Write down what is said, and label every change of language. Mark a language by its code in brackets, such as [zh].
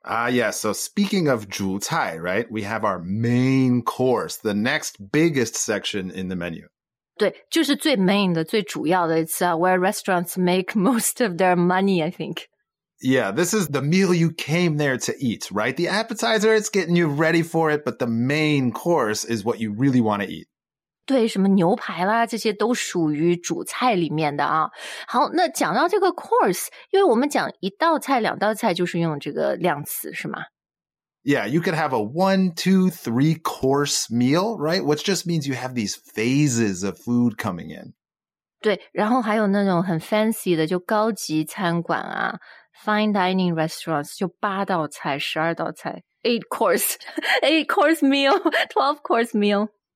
[en] Yes, so speaking of 主菜, right, we have our main course, the next biggest section in the menu. [zh] 对，就是最 main 的，最主要的。 [en] It's where restaurants make most of their money, I think. Yeah, this is the meal you came there to eat, right? The appetizer, it's getting you ready for it, but the main course is what you really want to eat. [zh] 对，什么牛排啦，这些都属于主菜里面的啊。好，那讲到这个 course, 因为我们讲一道菜、两道菜就是用这个量词，是吗？ [en] Yeah, you could have a 1-2-3 course meal, right? Which just means you have these phases of food coming in. [zh] 对，然后还有那种很 fancy 的，就高级餐馆啊。 [en] Fine dining restaurants, [zh] 就八道菜、十二道菜 [en] ,8 course meal, 12 course meal.